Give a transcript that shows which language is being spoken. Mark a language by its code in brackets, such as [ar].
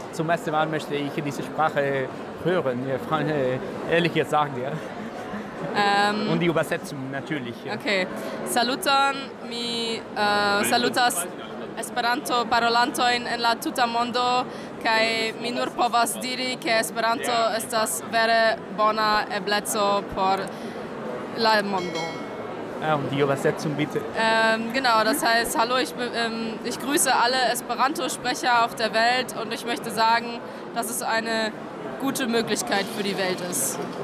[de] Zum ersten Mal möchte ich diese Sprache hören, ehrlich gesagt. Ja. Und die Übersetzung natürlich. Ja. Okay. [eo] Saluton, mi salutas Esperanto parolanto in la tuta mondo, kai mi nur povas diri ke Esperanto estas vere bona ebleco por la mondo. [de] Ah, und die Übersetzung bitte. Genau, das heißt, hallo, ich grüße alle Esperanto-Sprecher auf der Welt und ich möchte sagen, dass es eine gute Möglichkeit für die Welt ist.